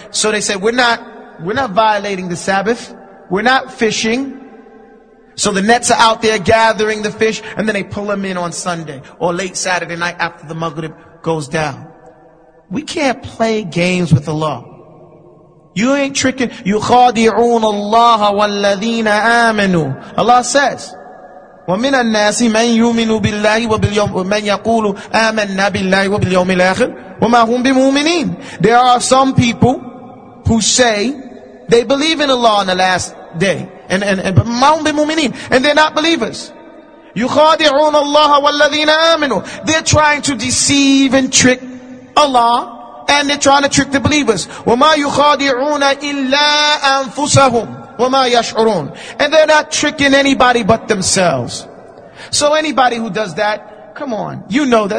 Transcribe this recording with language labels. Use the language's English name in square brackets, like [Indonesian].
[English] So they said, we're not violating the Sabbath. We're not fishing. So the nets are out there gathering the fish and then they pull them in on Sunday or late Saturday night after the Maghrib goes down. We can't play games with Allah. You ain't tricking. [Arabic] يخادعون الله والذين آمنوا. [English] Allah says, [Arabic] ومن الناس من يؤمن بالله وباليوم ومن يقول آمنا بالله وباليوم الآخر وما هم بمؤمنين. [English] There are some people who say they believe in Allah on the last day and but [Arabic] ما هم بمؤمنين, [English] and they're not believers. [Arabic] يخادعون الله والذين آمنوا. [English] They're trying to deceive and trick Allah, and they're trying to trick the believers. [Arabic] وَمَا يُخَادِعُونَ إِلَّا أَنفُسَهُمْ وَمَا يَشْعُرُونَ. [English] And they're not tricking anybody but themselves. So anybody who does that, come on, you know that.